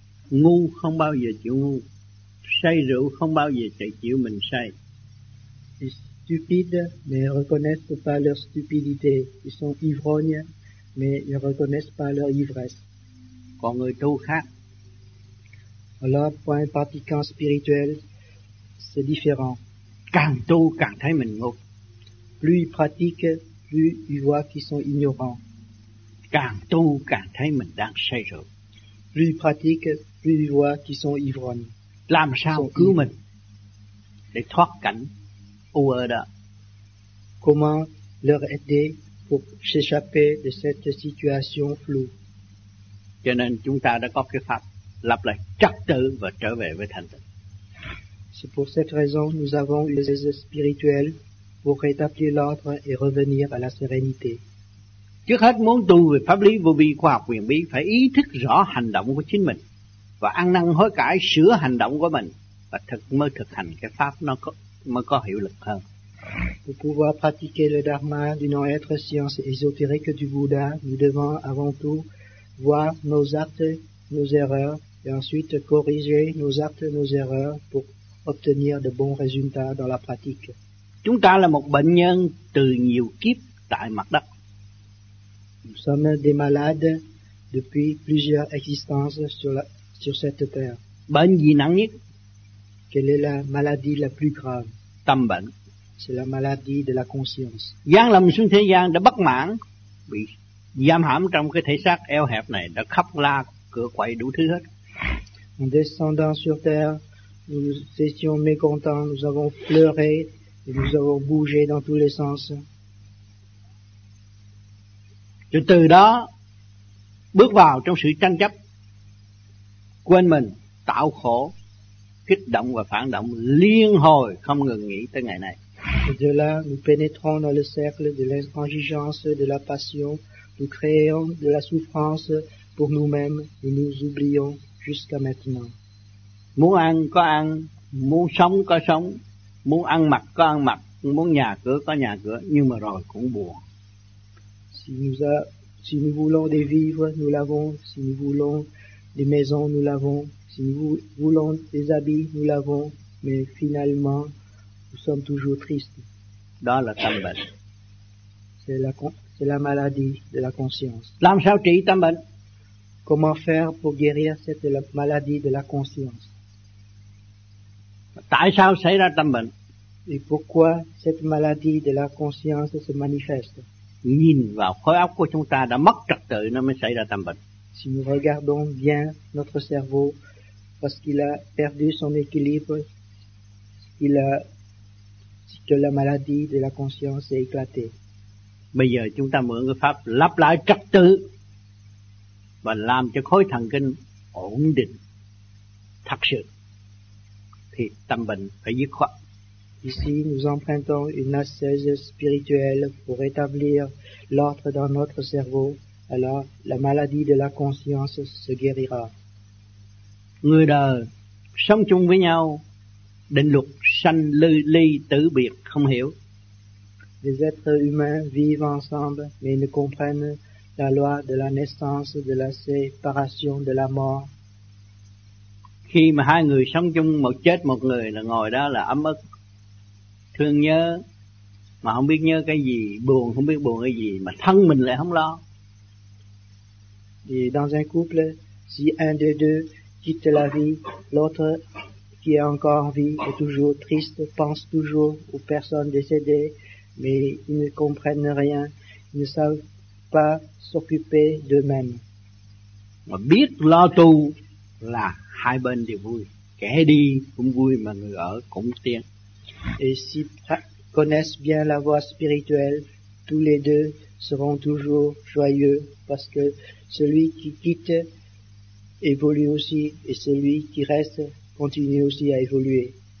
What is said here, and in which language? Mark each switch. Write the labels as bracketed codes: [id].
[vi] Ngu không bao giờ chịu ngu, say rượu không bao giờ chịu mình say. [fr] Ils sont stupides mais ne reconnaissent pas leur stupidité, ils sont ivrognes mais ne reconnaissent pas leur ivresse. [vi] Còn người tu khác. [fr] Alors, pour un pratiquant spirituel, c'est différent. [vi] Càng tu càng thấy mình ngu. [fr] Plus ils pratiquent, plus ils voient qu'ils sont ignorants. [vi] Càng tu càng thấy mình đang say rượu. [fr] Plus ils pratiquent, plus ils voient qu'ils sont ivrognes. [vi] Làm sao cứu mình để thoát cảnh u ớ đó? [fr] Comment leur aider pour s'échapper de cette situation floue? [vi] Cho nên chúng ta đã có cái pháp lập lại trật tự và trở về với thanh tịnh. [fr] C'est pour cette raison nous avons les spirituels pour rétablir l'ordre et revenir à la sérénité. [vi] Trước hết muốn tu về pháp lý vô vi khoa học quyền bí phải ý thức rõ hành động của chính mình và ăn năn hối cải sửa hành động của mình và thực mới thực hành cái pháp nó có, mới có hiệu lực hơn. [fr] Pour pouvoir pratiquer le dharma du non-être science ésotérique du Bouddha, nous devons avant tout voir nos actes, nos erreurs et ensuite corriger nos actes, nos erreurs pour obtenir de bons résultats dans la pratique. [vi] Chúng ta là một bệnh nhân từ nhiều kiếp tại mặt đất. [fr] Nous sommes des malades depuis plusieurs existences sur cette terre. [vi] Bệnh gì nặng nhất? [fr] Quelle est la maladie la plus grave? [vi] Tâm bệnh. [fr] C'est la maladie de la conscience. [vi] Giáng lâm xuống thế gian đã bất mãn, bị giam hãm trong cái thể xác eo hẹp này, đã khóc la cửa quậy đủ thứ hết. [fr] En descendant sur terre, nous étions mécontents, nous avons pleuré et nous avons bougé dans tous les sens. [vi] Rồi từ đó bước vào trong sự tranh chấp, quên mình, tạo khổ, kích động và phản động liên hồi không ngừng nghỉ tới ngày này. [fr] Et de là, nous pénétrons dans le cercle de l'intransigeance, de la passion, nous créons de la souffrance pour nous-mêmes et nous oublions jusqu'à maintenant. [vi] Muốn ăn có ăn, muốn sống có sống, muốn ăn mặc có ăn mặc, muốn nhà cửa có nhà cửa, nhưng mà rồi cũng buồn. [fr] Si nous voulons des vivres, nous l'avons. Si nous voulons des maisons, nous l'avons. Si nous voulons des habits, nous l'avons. Mais finalement, nous sommes toujours tristes. [vi] Đó là tâm bệnh. [fr] C'est la maladie de la conscience. [vi] Làm sao trị tâm bệnh? [fr] Comment faire pour guérir cette maladie de la conscience? [vi] Tại sao xảy ra tâm bệnh? [fr] Et pourquoi cette maladie de la conscience se manifeste? [vi] Nhìn vào khối óc của chúng ta đã mất trật tự nó mới xảy ra tâm bệnh. [fr] Si nous regardons bien notre cerveau parce qu'il a perdu son équilibre, que la maladie de la conscience est éclatée. [vi] Bây giờ chúng ta mượn cái pháp lắp lại trật tự và làm cho khối thần kinh ổn định thật sự thì tâm bệnh phải dứt khoát. [fr] Ici, nous empruntons une ascèse spirituelle pour rétablir l'ordre dans notre cerveau. Alors, la maladie de la conscience se guérira. [vi] Người đời sống chung với nhau, định luật sanh ly tử biệt không hiểu. [fr] Les êtres humains vivent ensemble, mais ils ne comprennent la loi de la naissance, de la séparation, de la mort. [vi] Khi mà hai người sống chung, một chết một người là ngồi đó là ấm ức. Thương nhớ mà không biết nhớ cái gì, buồn không biết buồn cái gì, mà thân mình lại không lo. [fr] Et dans un couple, si un des deux quitte la vie, l'autre qui est encore en vie est toujours triste, pense toujours aux personnes décédées, mais ils ne comprennent rien, ils ne savent pas s'occuper d'eux-mêmes. [vi] Mà biết lo tu là hai bên đều vui, kẻ đi cũng vui mà người ở cũng tiếng. [fr] Et s'ils connaissent bien la voie spirituelle, tous les deux seront toujours joyeux parce que celui qui quitte évolue aussi et celui qui reste continue aussi à évoluer.